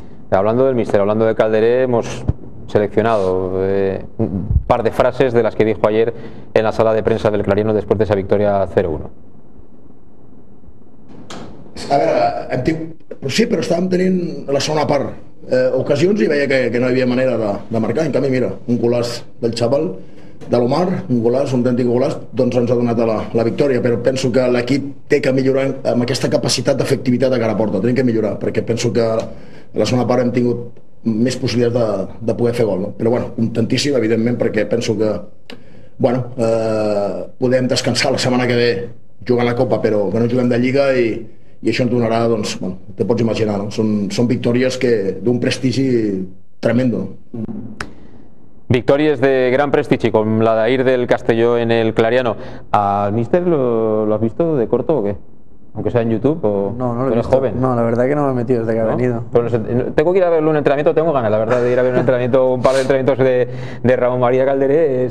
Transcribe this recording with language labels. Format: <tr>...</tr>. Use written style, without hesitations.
<es>Hablando del míster, hablando de Calderé, hemos seleccionado un par de frases de las que dijo ayer en la sala de prensa del Clarino después de esa victoria 0-1.</es> <ca>A veure, sí, però estàvem tenint la segona part ocasions i veia que no hi havia manera de marcar. En canvi, mira, un golaç del xaval, de l'Omar, un golaç, un autèntic golaç, doncs ens ha donat la victòria. Però penso que l'equip té que millorar amb aquesta capacitat d'efectivitat a cara a porta. Tenim que millorar, perquè penso que la segona part hem tingut més possibilitats de poder fer gol. Però bueno, contentíssim, evidentment, perquè penso que bueno, podem descansar la setmana que ve jugant la Copa, però que no juguem de Lliga i això ens donarà, doncs, bueno, te pots imaginar, no? Són victòries que d'un prestigi tremendo.</ca> <es>Victorias de gran prestigio, con la de ir del Castelló en el Clariano. ¿Al míster lo has visto de corto o qué? Aunque sea en YouTube o... No lo he visto. Joven. No, la verdad es que no me he metido desde que ha venido. Pero tengo que ir a verlo en entrenamiento, tengo ganas, la verdad, de ir a ver un entrenamiento, un par de entrenamientos de Ramón María Calderé.</es>